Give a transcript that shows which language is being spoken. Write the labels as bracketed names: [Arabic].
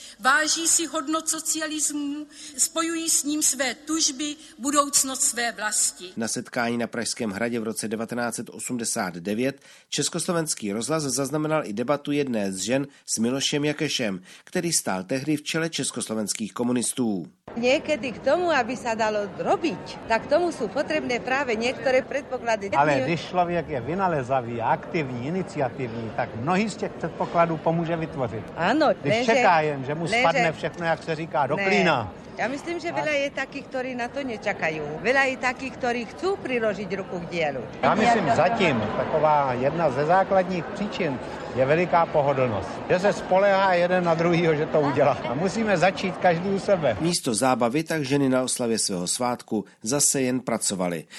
[Czech] Váží si hodnot socialismu, spojují s ním své tužby, budoucnost své vlasti. Na setkání na Pražském hradě v roce 1989 Československý rozhlas zaznamenal i debatu jedné z žen s Milošem Jakešem, který stál tehdy v čele československých komunistů. [Slovak] Niekedy k tomu, aby sa dalo robiť, tak tomu sú potrebné práve niektoré predpoklady. Ale když človek je vynalezavý, aktivní, iniciatívny, tak mnohý z tých predpokladov pomôže vytvořiť. Áno, [Czech] když čeká jen, že mu spadne všechno, jak sa říká, do klína. [Slovak] Ja myslím, že veľa je takých, ktorí na to nečakajú. Veľa je takých, ktorí chcú priložiť ruku k dielu. [Czech] Ja myslím, zatím taková jedna ze základních príčin je veliká pohodlnosť. Že se spoléhá jeden na druhýho, že to udělá. A musíme začít každý u sebe. Místo zábavy tak ženy na oslavě svého svátku zase jen pracovali.